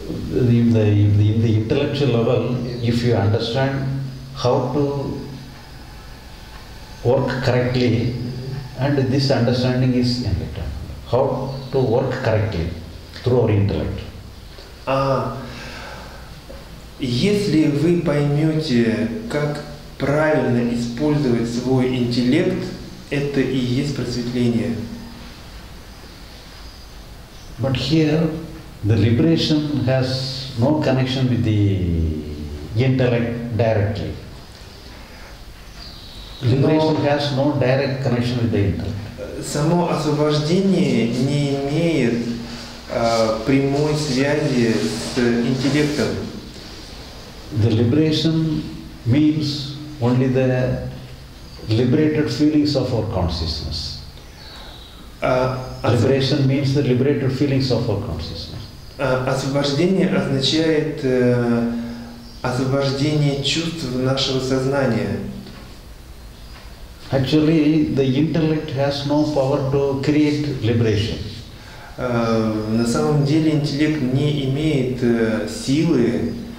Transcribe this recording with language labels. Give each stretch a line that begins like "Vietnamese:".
English: In the intellectual level, if you understand how to work correctly, and this understanding is enlightenment. How to work correctly through our intellect.
Russian: Если вы поймете, как правильно использовать свой интеллект, это и есть просветление.
English: But here, the liberation has no connection with the intellect directly. Liberation has no direct connection with the intellect.
Russian: Само освобождение не имеет прямой связи с интеллектом.
English: The liberation means only the liberated feelings of our consciousness. Liberation means the liberated feelings of our consciousness.
Russian: Освобождение означает освобождение чувств нашего сознания.
English: Actually, the intellect has no power to create liberation.
Russian: На самом деле интеллект не имеет силы